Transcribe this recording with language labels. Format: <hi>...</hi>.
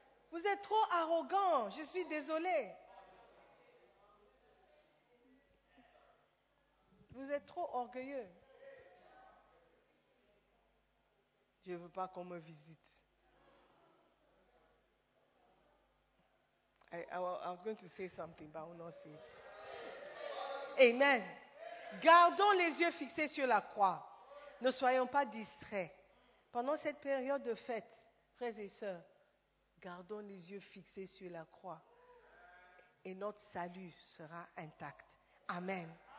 <fr>Vous êtes trop arrogant. Je suis désolée. Vous êtes trop orgueilleux. Je ne veux pas qu'on me visite.</fr> <en>I was going to say something, but I will not say it.</en> <fr>Amen. Gardons les yeux fixés sur la croix. Ne soyons pas distraits. Pendant cette période de fête, frères et sœurs, gardons les yeux fixés sur la croix et notre salut sera intact. Amen.</fr>